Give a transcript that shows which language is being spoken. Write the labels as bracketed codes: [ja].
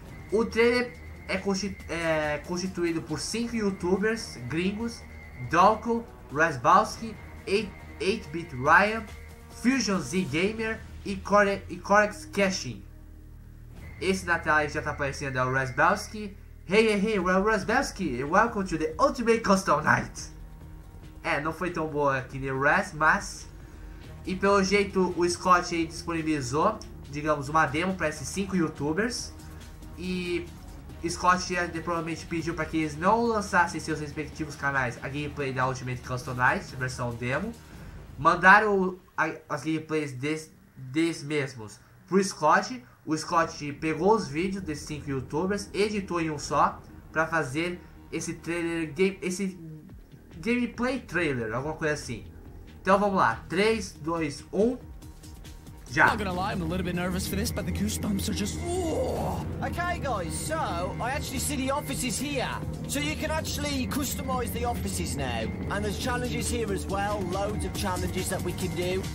[pt] O trailer é constituído por 5 youtubers gringos: Dolko, Razbowski, 8-Bit Ryan, Fusion Z Gamer e Corex Cashin. Esse na tela aí já tá aparecendo é o Razbowski. [en] Hey, well, Razbowski, welcome to the Ultimate Custom Night. [pt] É, não foi tão boa que nem o Raz, mas. E pelo jeito o Scott aí disponibilizou, digamos, uma demo para esses 5 youtubers. E Scott provavelmente pediu para que eles não lançassem seus respectivos canais a gameplay da Ultimate Custom Night, versão demo. Mandaram as gameplays desses mesmos pro Scott. O Scott pegou os vídeos desses 5 youtubers, editou em um só, para fazer esse trailer, esse gameplay trailer, alguma coisa assim. Então vamos lá, 3, 2, 1. [en] I'm not gonna lie, I'm a little bit nervous for this, but the goosebumps are just. Okay, guys, so I actually see the offices here. So you can actually customize the offices now. And there's challenges here as well, loads of challenges that we can do.